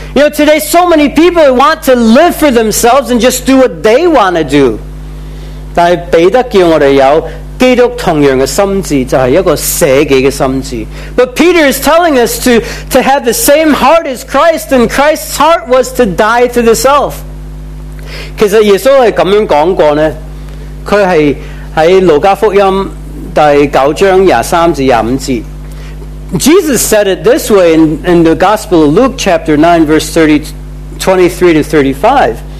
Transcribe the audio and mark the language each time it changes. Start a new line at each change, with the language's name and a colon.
English: You know, today so many people want to live for themselves and just do what they want to do.
Chinese: 但是彼得叫我们有 基督同样的心智就是一个舍己的心智。
English: But Peter is telling us to have the same heart as Christ, and Christ's heart was to die to the self.
Chinese: 其实耶稣是这样讲过呢, 他是在路加福音第9章23至25节。
English: Jesus said it this way in the Gospel of Luke chapter 9 verse 23-35.